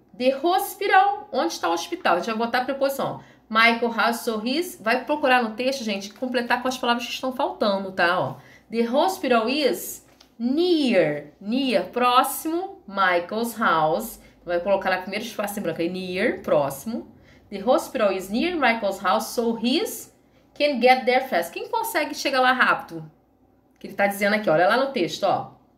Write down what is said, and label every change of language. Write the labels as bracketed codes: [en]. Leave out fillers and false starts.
[pt] The hospital. Onde está o hospital? A gente vai botar a preposição. Michael has sorris. Vai procurar no texto, gente, completar com as palavras que estão faltando, tá? [en] Ó. The hospital is near. Near, próximo. Michael's house. [pt] Vai colocar lá primeiro espaço em branco aí. Near, próximo. [en] The hospital is near Michael's house, so he can get there fast. [pt] Quem consegue chegar lá rápido? Que ele tá dizendo aqui, olha lá no texto, ó.